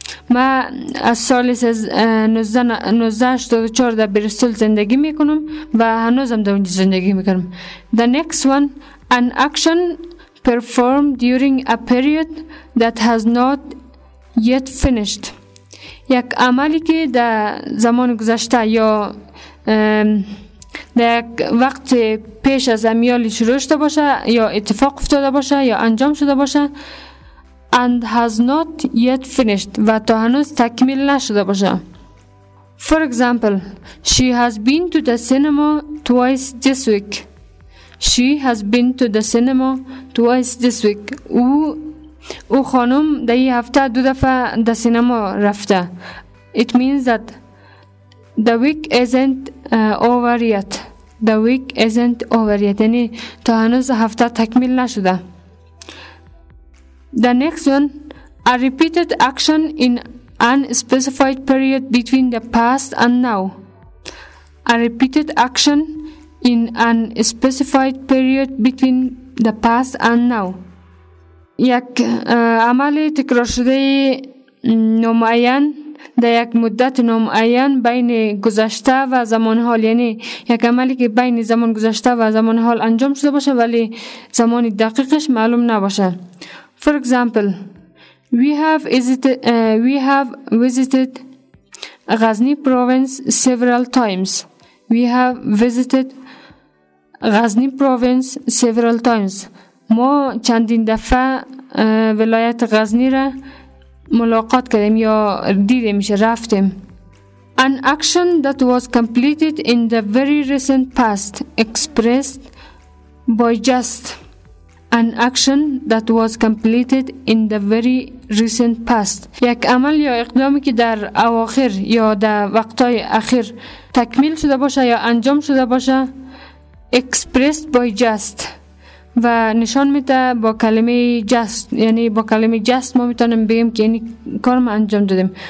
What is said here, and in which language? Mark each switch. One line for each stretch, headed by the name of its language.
Persian: ما از سال 1984 در بریستول زندگی میکنم و هنوزم در اونجا زندگی میکنم.
English: The next one, an action performed during a period that has not yet finished.
Persian: یک عملی که در زمان گذشته یا در یک وقت پیش از امیال شروع شده باشه یا اتفاق افتاده باشه یا انجام شده باشه
English: and has not yet finished
Persian: و تا هنوز تکمیل نشده باشه.
English: For example, she has been to the cinema twice this week. She has been to the cinema twice this week.
Persian: او خانم ده ای هفته دو دفعه ده سینما رفته.
English: It means that the week isn't over yet. The week isn't over yet.
Persian: یعنی تا هنوز هفته تکمیل نشده.
English: The next one, a repeated action in unspecified period between the past and now. A repeated action in an specified period between the past and now.
Persian: یک عمل تکرار شده نمعین در یک مدت نمعین بین گذشته و زمان حال، یعنی یک عملی که بین زمان گذشته و زمان حال انجام شده باشه ولی زمان دقیقش معلوم نباشه.
English: For example, we have visited Ghazni province several times. We have visited Ghazni province several times.
Persian: ما چندین دفعه ولایت غزنی را ملاقات کردیم یا دیدیم چه رفتیم.
English: An action that was completed in the very recent past expressed by just. An action that was completed in the very recent past.
Persian: یک عمل یا اقدامی که در اواخر یا در وقتای اخیر تکمیل شده باشه یا انجام شده باشه
English: expressed by just
Persian: و نشان میده با کلمه just، یعنی با کلمه just ما میتونیم بگیم که این کار ما انجام دادیم.